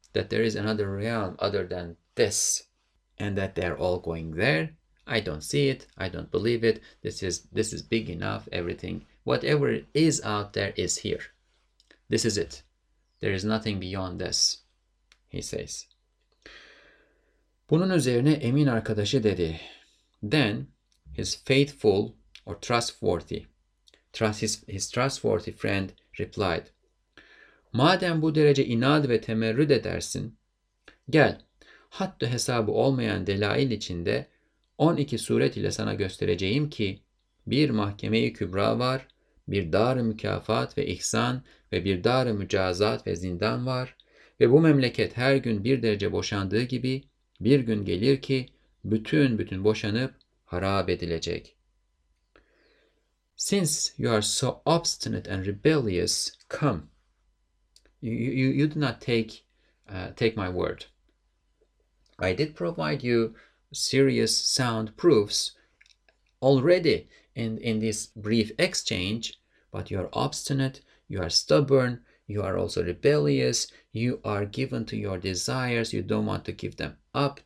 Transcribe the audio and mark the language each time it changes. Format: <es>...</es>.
<en>That there is another realm other than this, and that they're all going there. I don't see it. I don't believe it. This is big enough. Everything, whatever is out there, is here. This is it. There is nothing beyond this, he says.</en> <tr>Bunun üzerine emin arkadaşı dedi.</tr> <en>Then his faithful or trustworthy, his trustworthy friend replied.</en> <tr>Madem bu derece inat ve temerrüt edersin, gel, haddü hesabı olmayan delail içinde 12 suret ile sana göstereceğim ki bir mahkeme-i kübra var, bir dar-ı mükafat ve ihsan ve bir dar-ı mücazat ve zindan var ve bu memleket her gün bir derece boşandığı gibi bir gün gelir ki bütün boşanıp harap edilecek.</tr> <en>Since you are so obstinate and rebellious, come. You do not take my word. I did provide you serious sound proofs already in this brief exchange, but you are obstinate, you are stubborn, you are also rebellious, you are given to your desires, you don't want to give them up.</en>